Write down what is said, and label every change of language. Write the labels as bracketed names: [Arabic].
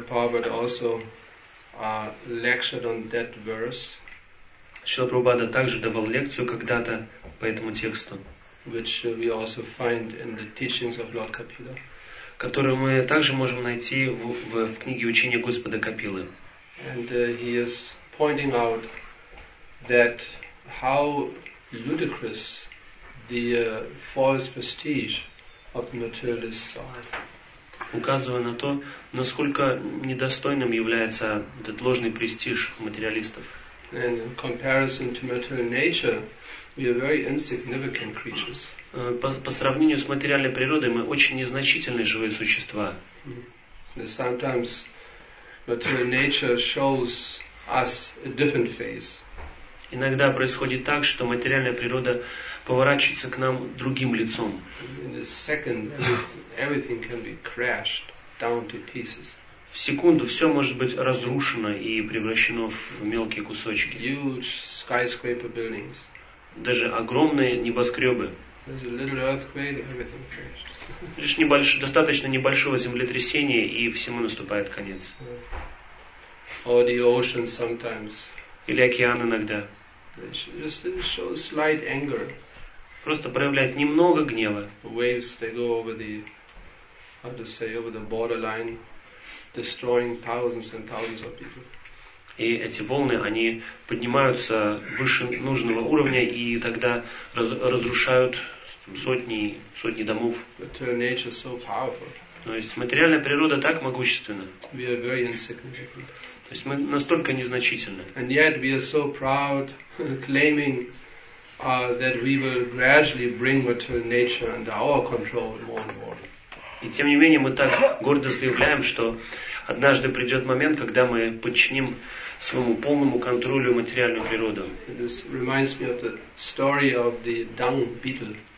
[Russian] Прабхупада также давал лекцию когда-то по этому тексту, [English] which we also find in the teachings of Lord Kapila, [Russian] которую мы также можем найти в книге учения Господа Капилы. [English] And he is pointing out that how ludicrous the false prestige of the materialists are. [Russian] Указывая на то, насколько недостойным является этот ложный престиж материалистов. [English] And in comparison to material nature, we are very insignificant creatures. [Russian] По сравнению с материальной природой, мы очень незначительные живые существа. [English] And sometimes material nature shows us a different face. [Russian] Иногда происходит так, что материальная природа поворачивается к нам другим лицом. [English] In a second, everything can be crashed down to pieces. [Russian] В секунду все может быть разрушено и превращено в мелкие кусочки. [English] Huge skyscraper buildings. [Russian] Даже огромные небоскребы. [English] There's a little earthquake, everything crashes. [Russian] Лишь достаточно небольшого землетрясения, и всему наступает конец. [English] Or the ocean sometimes. [Russian] Или океан иногда. [English] Just show slight anger. [Russian] Просто проявляет немного гнева. [English] Waves, they go over the, how to say, over the borderline. Destroying thousands and thousands of people. [Russian] И эти волны, они поднимаются выше нужного уровня и тогда разрушают сотни домов. [English] Material nature is so powerful. [Russian] То есть материальная природа так могущественна. [English] We are very insignificant. [Russian] То есть мы настолько незначительны. [English] And yet we are so proud claiming that we will gradually bring material nature under our control more and more. [Russian] И тем не менее мы так гордо заявляем, что однажды придет момент, когда мы подчиним своему полному контролю материальную природу. [English] This reminds me of the story of the dung beetle.